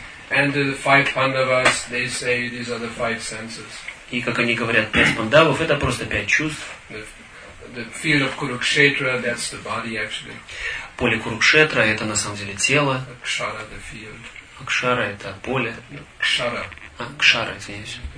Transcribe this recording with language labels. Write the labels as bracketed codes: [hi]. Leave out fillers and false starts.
[en] And the five Pandavas, they say these are the five senses. [ru] И как они говорят, пять пандавов — это просто пять чувств. [en] The field of Kurukshetra, that's the body actually. [ru] Поле Курукшетра — это на самом деле тело. [en] Akshara, the field. [ru] Akshara — это поле. [en] Kshara. [ru] Akshara, извиняюсь.